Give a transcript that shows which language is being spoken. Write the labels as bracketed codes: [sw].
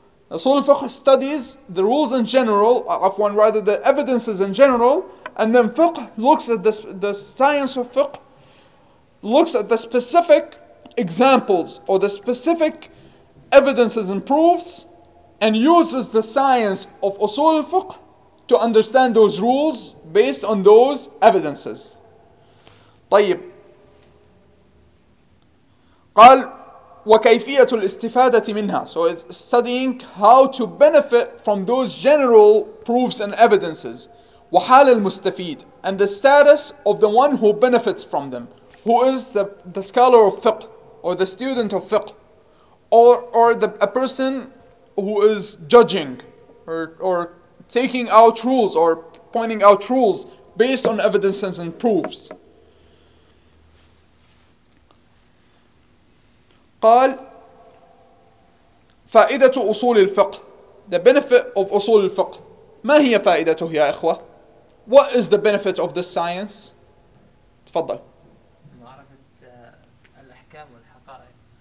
[en] Usul al-fiqh studies the rules in general, the evidences in general, and then fiqh looks at the science of fiqh, looks at the specific examples, or the specific evidences and proofs, and uses the science of usul al-fiqh to understand those rules based on those evidences. [ar] طيب، قال وكيفية الاستفادة منها. [en] So it's studying how to benefit from those general proofs and evidences. [ar] وحال المستفيد، [en] and the status of the one who benefits from them. Who is the scholar of fiqh, or the student of fiqh, or a person who is judging, or taking out rules, or pointing out rules based on evidences and proofs. [ar] قال فائدة أصول الفقه. [en] The benefit of أصول الفقه. [ar] ما هي فائدته يا إخوة؟ [en] What is the benefit of this science? [ar] تفضل. معرفة الأحكام والحقائق.